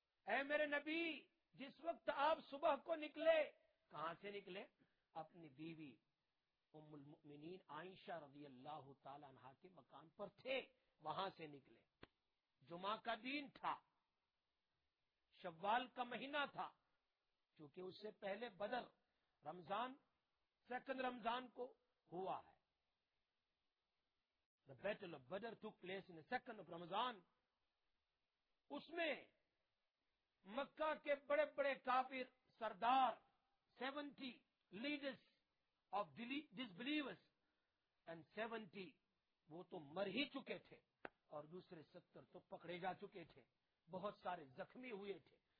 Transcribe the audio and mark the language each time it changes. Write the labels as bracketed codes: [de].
[ur] اے میرے نبی, جس وقت آپ صبح کو نکلے, کہاں سے نکلے؟ اپنی بیوی ام المؤمنین عائشہ رضی اللہ تعالی عنہا کے مکان پر تھے, وہاں سے نکلے. جمعہ کا دین تھا, شوال کا مہینہ تھا, چونکہ اس سے پہلے بدر رمضان سیکنڈ رمضان کو ہوا ہے. [en] The battle of Badr took place in the second of Ramadan. [ur] اس میں مکہ کے بڑے بڑے کافر سردار [en] 70 leaders of disbelievers and 70 [ur] وہ تو مر ہی چکے تھے اور دوسرے 70 تو پکڑے جا چکے تھے, بہت سارے زخمی ہوئے تھے.